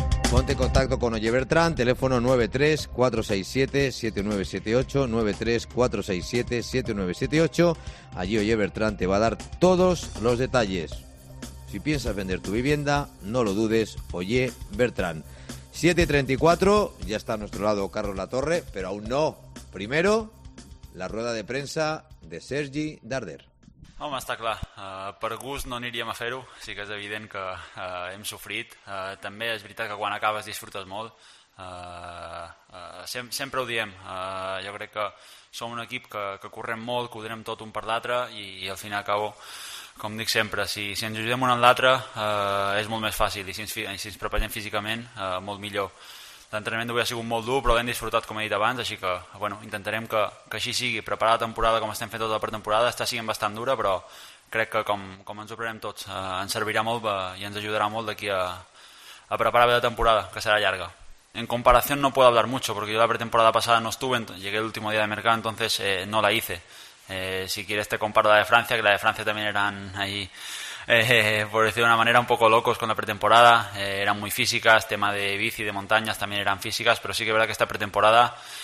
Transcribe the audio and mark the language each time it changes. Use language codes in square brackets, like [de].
[es] Ponte en contacto con Olle Bertrand, teléfono 93-467-7978, 93-467-7978. Allí Olle Bertrand te va a dar todos los detalles. Si piensas vender tu vivienda, no lo dudes, Olle Bertrand. 7:34, ya está a nuestro lado Carlos Latorre, pero aún no. Primero, la rueda de prensa de Sergi Darder. [ca] Home, està clar, per gust no aniríem a fer-ho, sí que és evident que hem sofrit. També és veritat que quan acabes disfrutes molt. Sempre ho diem, jo crec que som un equip que correm molt, que ho donem tot un per l'altre i al final acabo. Com dic sempre, si ens ajudem un a l'altre, és molt més fàcil, i si ens preparem físicament, molt millor. L'entrenament d'avui ha sigut molt dur, però l'hem disfrutat, com he dit abans, així que bueno, intentarem que així sigui, preparar la temporada com estem fent tota la pretemporada, està sent bastant dura, però crec que com ens ho prenem tots, ens servirà molt i ens ajudarà molt d'aquí a preparar bé la temporada, que serà llarga. [es] En comparación no puedo hablar mucho, porque yo la pretemporada pasada no estuve, llegué el último día de mercado, entonces no la hice. Si quieres te comparo la de Francia, que la de Francia también eran ahí, por decirlo de una manera, un poco locos con la pretemporada, eran muy físicas, tema de bici, de montañas también eran físicas, pero sí que es verdad que esta pretemporada